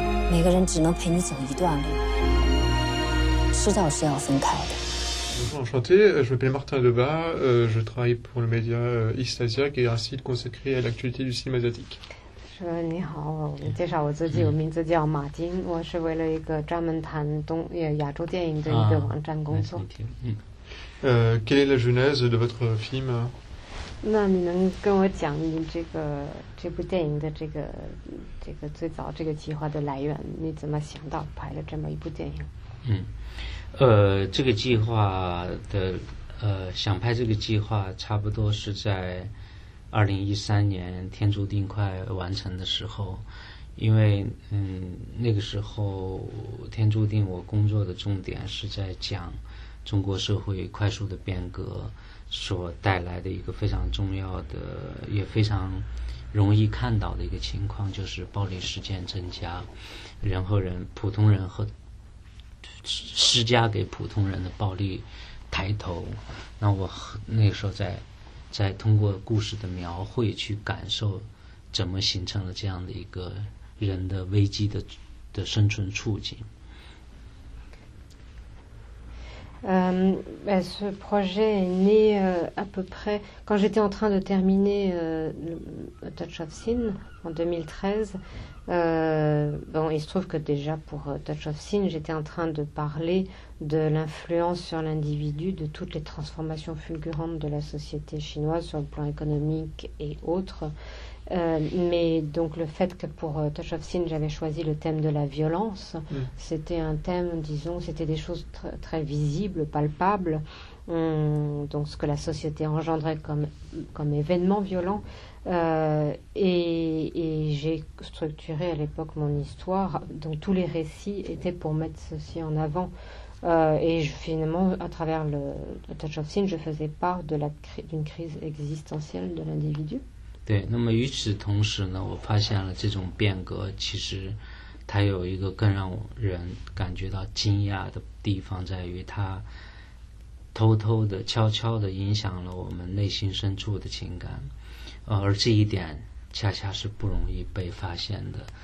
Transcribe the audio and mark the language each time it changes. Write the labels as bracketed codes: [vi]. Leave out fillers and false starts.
[zh] 每个人只能陪你走一段路，迟早是要分开的。 [fr] Enchanté, je m'appelle Martin Debat, je travaille pour le média East Asia, qui est un site consacré à l'actualité du cinéma asiatique. [zh] 说你好，我介绍我自己，我名字叫马丁，我是为了一个专门谈东亚洲电影的一个网站工作。 [fr] Quelle est la genèse de votre film？ [zh] 那你能跟我讲你这部电影的这个最早这个计划的来源，你怎么想到拍了这么一部电影？这个计划的想拍这个计划差不多是在2013年天注定快完成的时候，因为那个时候天注定我工作的重点是在讲中国社会快速的变革所带来的一个非常重要的也非常容易看到的一个情况，就是暴力事件增加，人和人普通人和施加给普通人的暴力抬头。那我那时候在通过故事的描绘去感受怎么形成了这样的一个人的危机的生存处境。 [fr] Ce projet est né à peu près quand j'étais en train de terminer Touch of Sin en 2013. Il se trouve que déjà pour Touch of Sin, j'étais en train de parler de l'influence sur l'individu, de toutes les transformations fulgurantes de la société chinoise sur le plan économique et autres. Mais donc le fait que pour Touch of Sin j'avais choisi le thème de la violence, c'était un thème, disons, c'était des choses très visibles, palpables, donc ce que la société engendrait comme événement violent. Et j'ai structuré à l'époque mon histoire, donc tous les récits étaient pour mettre ceci en avant. Finalement, à travers le Touch of Sin, je faisais part d'une crise existentielle de l'individu. [zh] 对，那么与此同时呢，我发现了这种变革其实它有一个更让人感觉到惊讶的地方，在于它偷偷的悄悄的影响了我们内心深处的情感，而这一点恰恰是不容易被发现的。